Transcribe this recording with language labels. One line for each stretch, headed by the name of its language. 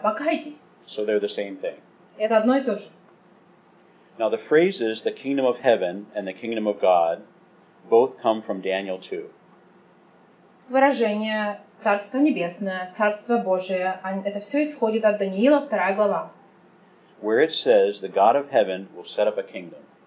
Russian: Покайтесь.
English: So they're the same thing.
Russian: Это одно и то же.
English: Now the phrases "the kingdom of heaven" and "the kingdom of God" both come from Daniel 2.
Russian: Выражение "Царство небесное", "Царство Божие" — это все исходит от Даниила 2 глава.
English: Where it says the God of heaven will set up a kingdom.